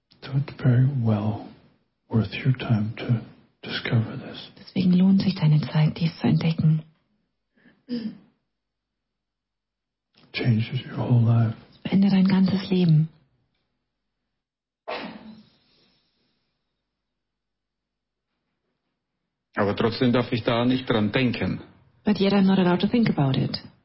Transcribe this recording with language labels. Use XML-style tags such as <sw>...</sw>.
<en>So it's very well worth your time to discover this.</en> <de>Deswegen lohnt sich deine Zeit, dies zu entdecken.</de> <en>Changes your whole life.</en> <de>Verändert dein ganzes Leben. Aber trotzdem darf ich da nicht dran denken.</de> <en>But yet I'm not allowed to think about it.</en>